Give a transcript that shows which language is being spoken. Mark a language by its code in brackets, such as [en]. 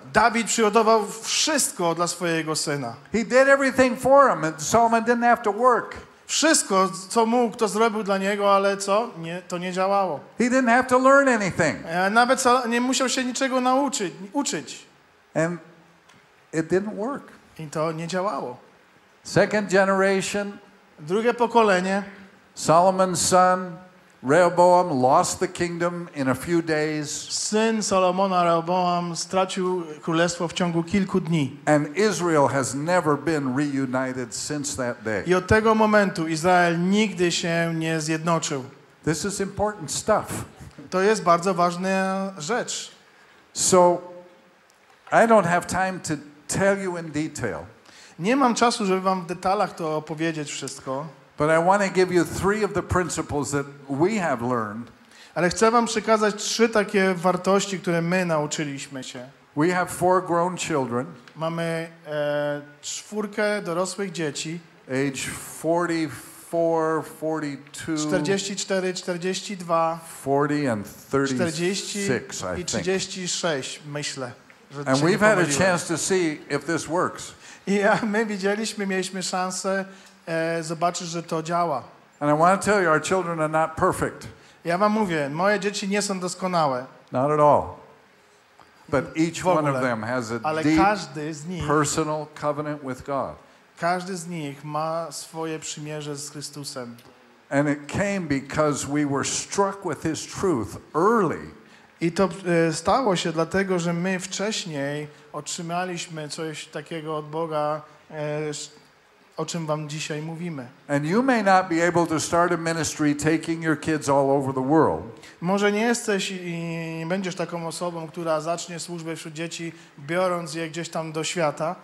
[pl] Dawid przygotował wszystko dla swojego syna. [en] He did everything for him, and Solomon didn't have to work. [pl] Wszystko, co mógł, to zrobił dla niego, ale co? Nie, to nie działało. [en] He didn't have to learn anything. [pl] Nawet nie musiał się niczego uczyć. [en] And it didn't work. [pl] I to nie działało. [en] Second generation. [pl] Drugie pokolenie. [en] Solomon's son. Rehoboam lost the kingdom in a few days. [pl] Syn Salomona Rehoboam stracił królestwo w ciągu kilku dni. [en] And Israel has never been reunited since that day. [pl] I od tego momentu Izrael nigdy się nie zjednoczył. [en] This is important stuff. [pl] To jest bardzo ważna rzecz. [en] So I don't have time to tell you in detail. [pl] Nie mam czasu, żeby wam w detalach to opowiedzieć wszystko. [en] But I want to give you three of the principles that we have learned. [pl] Ale chcę wam przekazać trzy takie wartości, które my nauczyliśmy się. [en] We have four grown children. [pl] Mamy czwórkę dorosłych dzieci. [en] Age 44, 42. [pl] 44, 42. [en] 40 and 36, I think. [pl] I 36, myślę. [en] And we've had a chance to see if this works. [pl] I my widzieliśmy, mieliśmy szansę zobaczysz, że to działa. [en] And I want to tell you, our children are not perfect. [pl] Ja wam mówię, moje dzieci nie są doskonałe. [en] Not at all. But each one of them has a deep, personal covenant with God. [pl] Każdy z nich ma swoje przymierze z Chrystusem. [en] And it came because we were struck with His truth early. [pl] I to stało się dlatego, że my wcześniej otrzymaliśmy coś takiego od Boga. O czym wam dzisiaj mówimy. [en] And you may not be able to start a ministry taking your kids all over the world. [pl] Może nie jesteś i nie będziesz taką osobą, która zacznie służbę wśród dzieci, biorąc je gdzieś tam do świata.